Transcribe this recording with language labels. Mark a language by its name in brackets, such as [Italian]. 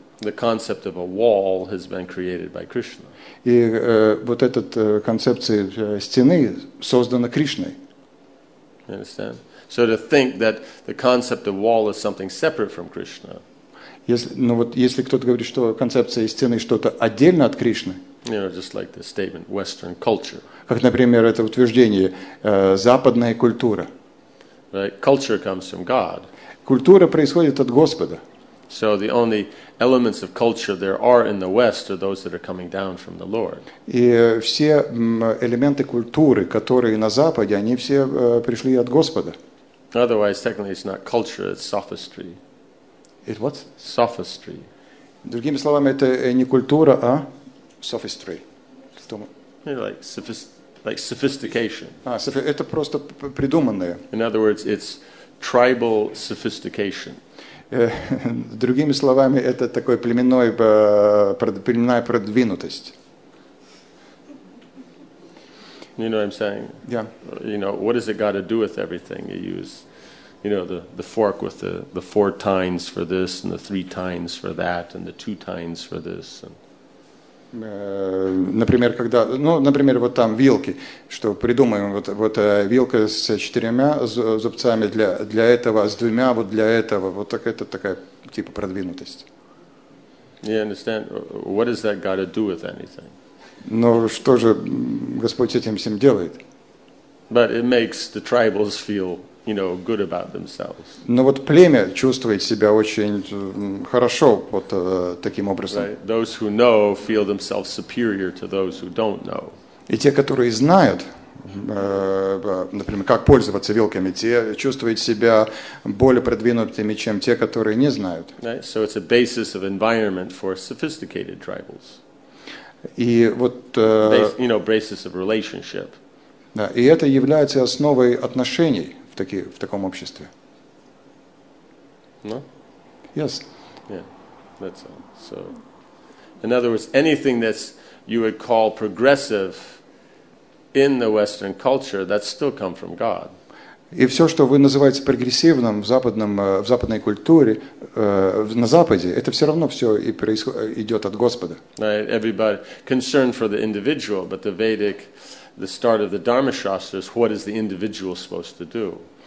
[English] The concept of a wall has been created by Krishna. [Russian] И вот этот концепция стены создана Кришной. [English] You understand? So to think that the concept of wall is something separate from Krishna. [Russian] Если кто-то говорит, что концепция стены что-то отдельно от Кришны. [English] You know, just like the statement, Western culture. [Russian] Как, например, это утверждение, западная культура. [English] Right? Culture comes from God. [Russian] Культура происходит от Господа. [English] So the only elements of culture there are in the West are those that are coming down from the Lord. [Russian] И все элементы культуры, которые на Западе, они все пришли от Господа. [English] Otherwise, technically, it's not culture, it's sophistry. It what? Sophistry. [Russian] Другими словами, это не культура, а... [English] Sophistry. Like sophistication. [Russian] Это просто придуманное. [English] In other words, it's tribal sophistication. [Russian] Другими словами, это такой племенной племенная продвинутость. [English] You know what I'm saying? Yeah. You know, what does it got to do with everything? You use, you know, the fork with the four tines for this and the three tines for that and the two tines for this and [Russian] Например, когда, ну, например, вот там вилки, что придумаем, вот вилка с четырьмя зубцами для этого, с двумя вот для этого, вот так это такая типа продвинутость. [English] You understand? What has that got to do with anything? [Russian] Но что же Господь с этим всем делает? [English] But it makes the tribals feel, you know, good about themselves. [Russian] Но вот племя чувствует себя очень хорошо вот таким образом. [English] Right. Those who know feel themselves superior to those who don't know. [Russian] И те, которые знают, например, как пользоваться вилками, те чувствуют себя более продвинутыми, чем те, которые не знают. [English] Right. So it's a basis of environment for sophisticated tribals. [Russian] И вот [English] basis of relationship. [Russian] Да, и это является основой отношений. В таком обществе. [English] No? Yes. Yeah, that's all. So, in other words, anything that you would call progressive in the Western culture, that still come from God. [Russian] И все, что вы называете прогрессивным в, западном, в западной культуре, на Западе, это все равно все и идет от Господа. [English] Right, everybody concerned for the individual, but the Vedic, the start of the Dharma Shastra is what is the individual supposed to do?